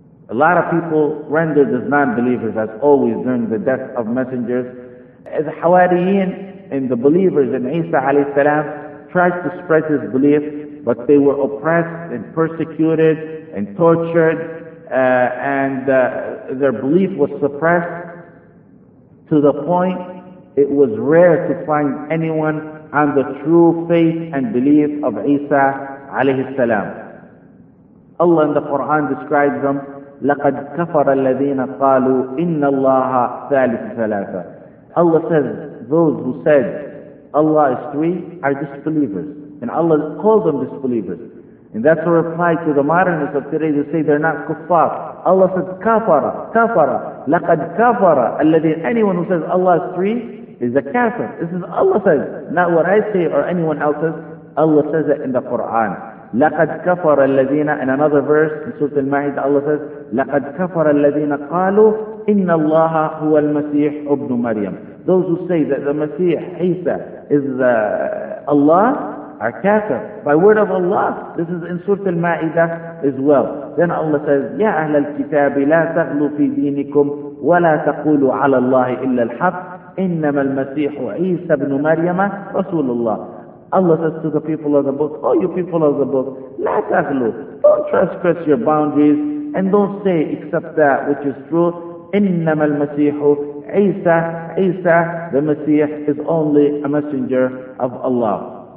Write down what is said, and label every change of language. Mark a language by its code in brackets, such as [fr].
[en] A lot of people rendered as non-believers, as always during the death of messengers, as Hawariyin, and the believers in Isa alayhi salam tried to spread his belief, but they were oppressed and persecuted and tortured, and their belief was suppressed to the point it was rare to find anyone on the true faith and belief of Isa alayhi salam. Allah in the Quran describes them, [ar] لَقَدْ كَفَرَ الَّذِينَ قَالُوا إِنَّ اللَّهَ ثَالِثُ ثَلَاثَ. [en] Allah says, those who said Allah is three are disbelievers. And Allah called them disbelievers. And that's a reply to the modernists of today to say they're not kuffar. Allah says, [ar] كَفَرَ كَفَرَ لَقَدْ كَفَرَ الَّذِينَ. [en] Anyone who says Allah is three is a kafir. This is Allah says, not what I say or anyone else says. Allah says it in the Quran. [ar] لَقَدْ كَفَرَ الَّذِينَ. [en] In another verse in Surah Al-Ma'idah, Allah says, [ar] لَقَدْ كَفَرَ الَّذِينَ قَالُوا إِنَّ اللَّهَ هُوَ الْمَسِيحُ ابْنُ مَرْيَمَ. [en] Those who say that the Messiah, Isa, is Allah, are kafir. By word of Allah, this is in Surah Al-Ma'idah as well. Then Allah says, [ar] يَا أَهْلَ الْكِتَابِ لَا تَغْلُوا فِي دِينِكُمْ وَلَا تَقُولُوا عَلَى اللَّهِ إِلَّا الْحَقِّ إِنَّمَا الْمَسِيحُ عِيسَى ابْنُ مَرْيَمَ رَسُولُ اللَّهِ. [en] Allah says to the people of the book, oh you people of the book, [ar] la taghlu, [en] don't transgress your boundaries and don't say except that which is true. [ar] إِنَّمَا الْمَسِيحُ عِيسَى. [en] عِيسَى, the Messiah, is only a messenger of Allah.